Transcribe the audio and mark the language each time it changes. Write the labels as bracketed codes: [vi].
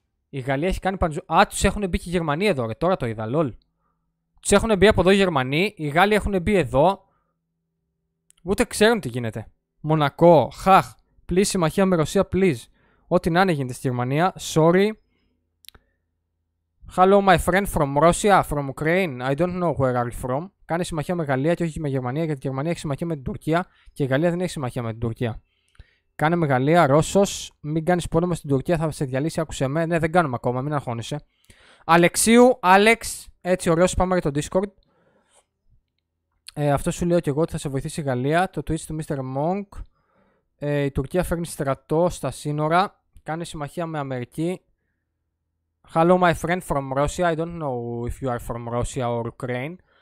[el] Η Γαλλία έχει κάνει παντζού. Α, τους έχουν μπει και οι Γερμανοί εδώ, ρε. Τώρα το είδα, λολ. Τους έχουν μπει από εδώ οι Γερμανοί, οι Γάλλοι έχουν μπει εδώ. Ούτε ξέρουν τι γίνεται. Μονακό, χαχ. Please, συμμαχία με Ρωσία, please. Ό,τι να είναι γίνεται στη Γερμανία, sorry. [en] Hello, my friend from Russia, from Ukraine. I don't know where are you from. [el] Κάνει συμμαχία με Γαλλία και όχι με Γερμανία, γιατί η Γερμανία έχει συμμαχία με την Τουρκία και η Γαλλία δεν έχει συμμαχία με την Τουρκία. Κάνε με Γαλλία, Ρώσος, μην κάνεις πόλεμο στην Τουρκία, θα σε διαλύσει, άκουσε με. Ναι, δεν κάνουμε ακόμα, μην αγχώνεσαι. Αλεξίου, Άλεξ, έτσι ωραίος, πάμε για το Discord. Αυτό σου λέω και εγώ ότι θα σε βοηθήσει η Γαλλία. Το Twitch του Mr. Monk. Η Τουρκία φέρνει στρατό στα σύνορα. Κάνει συμμαχία με Αμερική. [en] Hello my friend from Russia. I don't know if you are from Russia or Ukraine.